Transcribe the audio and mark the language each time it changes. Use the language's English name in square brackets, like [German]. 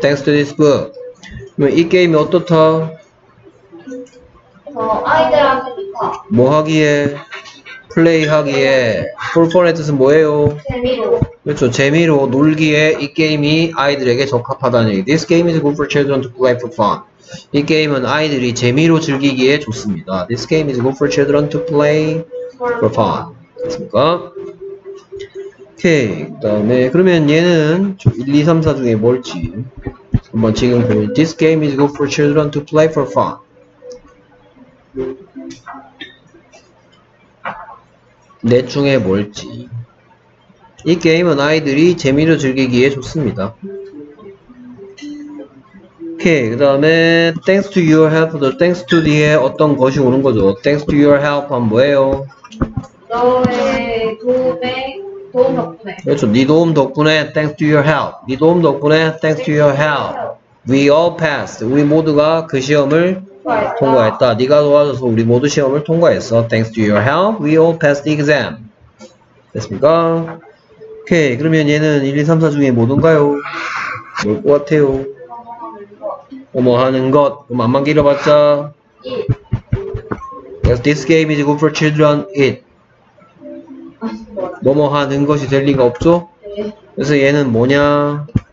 [English] Thanks to this book. [Korean] 그럼 이 게임이 어떻다? 아이들한테 좋다. 뭐 하기에? 플레이 하기에. 풀펀의 뜻은 뭐예요? 재미로. 그렇죠. 재미로 놀기에 이 게임이 아이들에게 적합하다는 얘기. [English] This game is good for children to play for fun. [Korean] 이 게임은 아이들이 재미로 즐기기에 좋습니다. [English] This game is good for children to play for fun. [Korean] 됐습니까? 오케이. 그 다음에 그러면 얘는 1, 2, 3, 4 중에 뭘지 한번 지금 보면 [English] This game is good for children to play for fun. [Korean] 내 중에 뭘지. 이 게임은 아이들이 재미로 즐기기에 좋습니다. 오케이. 그 다음에 [English] thanks to your help. thanks to [Korean] 뒤에 어떤 것이 오는 거죠. [English] thanks to your help [Korean] 하면 뭐예요? 너의 도움 덕분에. 그렇죠. 네 도움 덕분에 [English] thanks to your help. [Korean] 네 도움 덕분에 [English] thanks to your help. we all passed. [Korean] 우리 모두가 그 시험을 통과했다. 네가 도와줘서 우리 모두 시험을 통과했어. [English] Thanks to your help, we all passed the exam. [Korean] 됐습니까? 오케이. 그러면 얘는 1, 2, 3, 4 중에 뭐든가요? 뭘 것 같아요? 뭐 하는 것? 그럼 안만 길어봤자? [English] Yes, this game is good for children. It. [Korean] 뭐뭐 하는 것이 될 리가 없죠? 그래서 얘는 뭐냐?